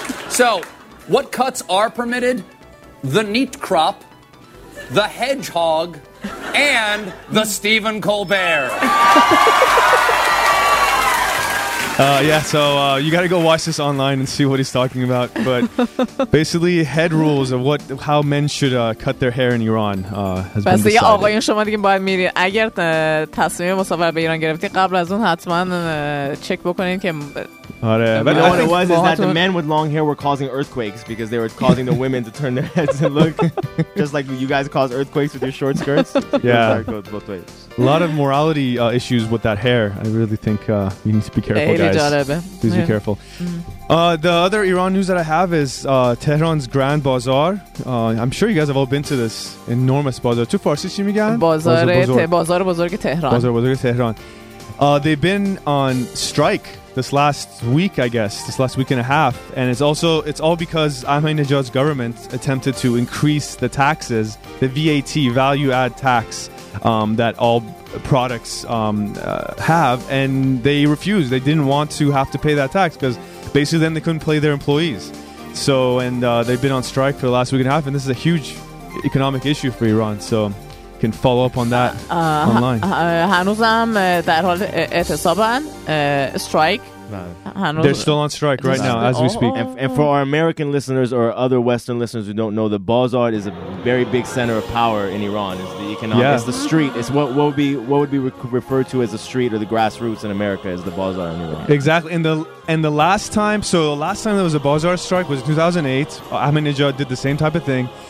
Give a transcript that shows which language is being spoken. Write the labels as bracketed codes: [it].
[en] So, what cuts are permitted? The neat crop, the hedgehog, and the Stephen Colbert. You got to go watch this online and see what he's talking about. But basically, head rules of what, how men should cut their hair in Iran has been decided. [fa] بس آقایون شما دیگه باید میرید. اگر تصمیم مسافرت به ایران گرفتید قبل از اون حتما چک بکنید که آره. [en] But what it was is that the men with long hair were causing earthquakes because they were causing the women to turn their heads and look just like you guys cause earthquakes with your short skirts. Yeah. Both ways. A lot of morality issues with that hair. I really think you need to be careful, guys. Please be careful. The other Iran news that I have is Tehran's Grand Bazaar. I'm sure you guys have all been to this enormous bazaar. To Farsi, what do you say? Bazaar of Tehran. They've been on strike this last week, I guess, this last week and a half. And it's all because Ahmadinejad's government attempted to increase the taxes, the VAT, value-add tax, that all products have, and they refused. They didn't want to have to pay that tax because basically then they couldn't pay their employees. So, and they've been on strike for the last week and a half, and this is a huge economic issue for Iran. So can follow up on that online. [fa] هنوزم در حال اعتصابن [en] strike. No. They're still on strike right now as we speak. And for our American listeners or other Western listeners who don't know, the Bazaar is a very big center of power in Iran. It's the economic, yeah. It's the street. It's what would be referred to as the street or the grassroots in America is the Bazaar in Iran. Exactly. And the last time there was a Bazaar strike was 2008. Ahmadinejad did the same type of thing.